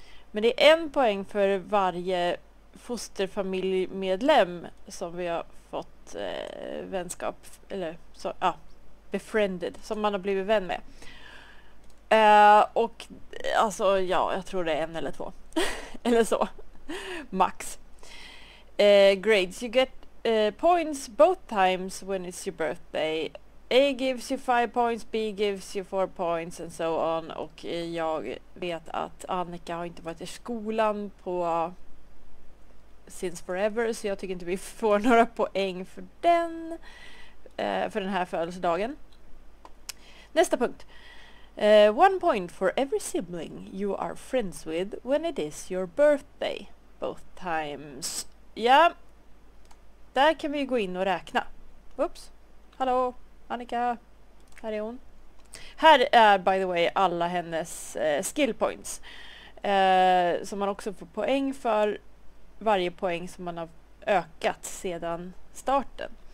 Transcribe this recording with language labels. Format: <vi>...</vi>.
<sv>Men det är en poäng för varje fosterfamiljmedlem som vi har fått vänskap, eller så, ja, befriended, som man har blivit vän med. Och alltså, ja, jag tror det är en eller två. Eller så. Max. Grades.</sv> <en>You get points both times when it's your birthday. A gives you 5 points, B gives you 4 points and so on.</en> <sv>Och jag vet att Annika har inte varit i skolan på</sv> <en>since forever,</en> <sv>så jag tycker inte vi får några poäng för den. För den här födelsedagen. Nästa punkt.</sv> <en>1 point for every sibling you are friends with when it is your birthday, both times.</en> <sv>Ja, där kan vi gå in och räkna. Oops, hallå, Annika, här är hon. Här är,</sv> <en>by the way,</en> <sv>alla hennes skill points. Som man också får poäng för varje poäng som man har ökat sedan starten.</sv>